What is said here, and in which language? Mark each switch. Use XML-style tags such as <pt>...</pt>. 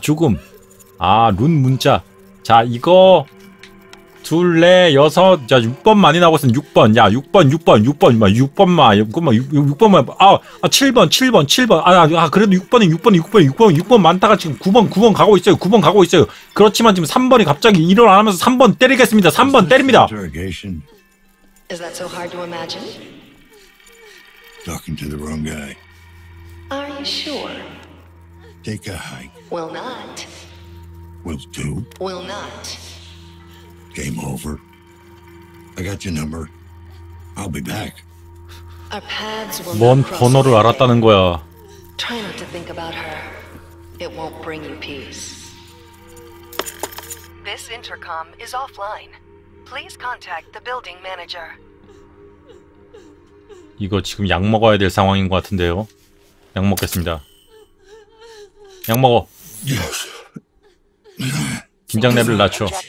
<ko>죽음 아 룬 문자 자 이거 둘, 넷, 여섯 자 6번 많이 나오고 있으면 6번 야 6번 6번 6번 6번 6번만 6번만 6번만 아 7번 7번 7번 아 그래도 6번은 6번은 6번은 6번 6번 많다가 지금 9번 9번 가고 있어요 9번 가고 있어요 그렇지만 지금 3번이 갑자기 일을 안 하면서 3번 때리겠습니다 3번 때립니다</ko> <en>Is that so hard to imagine? Talking to the wrong guy. Are you sure? Take a hike. Will not. Will do. Will not. Game over. I got your number. I'll be back. Our paths will not cross.</en> <ko>번호를 알았다는 거야.</ko> <en>Try not to think about her. It won't bring you peace. This intercom is offline. Please contact the building manager.</en> <ko>이거 지금 약 먹어야 될 상황인 것 같은데요. 약 먹겠습니다. 약 먹어. 긴장 레벨 낮춰.</ko>